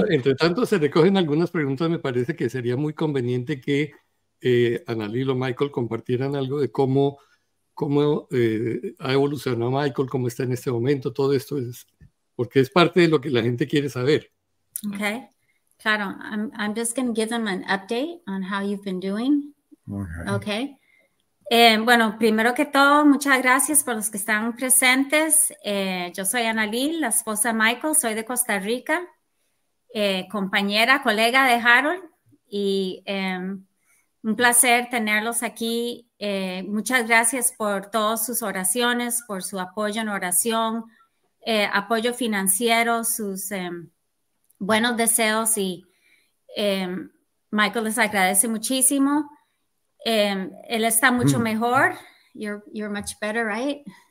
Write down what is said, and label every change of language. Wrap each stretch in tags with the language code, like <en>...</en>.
<es>Señor. entre tanto se recogen algunas preguntas. Me parece que sería muy conveniente que Annalyn o Michael compartieran algo de cómo ha evolucionado Michael, cómo está en este momento, todo esto es porque es parte de lo que la gente quiere saber.</es> <en>Okay. Claro, I'm just going to give them an update on how you've been doing. Okay.</en> <es>Bueno, primero que todo, muchas gracias por los que están presentes. Yo soy Ana Lil, la esposa de Michael, soy de Costa Rica, compañera, colega de Harold, y un placer tenerlos aquí. Muchas gracias por todas sus oraciones, por su apoyo en oración, apoyo financiero, sus buenos deseos, y Michael les agradece muchísimo. Él está mucho mejor.</es> <en>You're much better, right?</en>